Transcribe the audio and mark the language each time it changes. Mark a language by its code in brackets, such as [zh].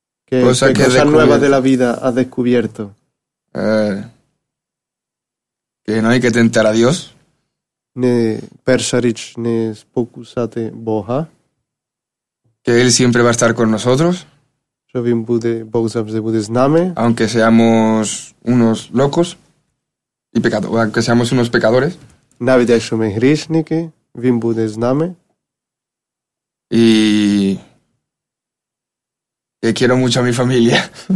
[es] Que cosa que nueva de la vida ha descubierto. Que no hay que tentar a Dios. [uk] Не перешарить, не спокусати Бога. [es] Que él siempre va a estar con nosotros. [uk] Що він буде, Бог завжди буде з нами. [es] Aunque seamos unos locos. Y pecado, aunque seamos unos pecadores. [uk] Навіть якщо ми грішники, він буде з нами. [es] Y que quiero mucho a mi familia.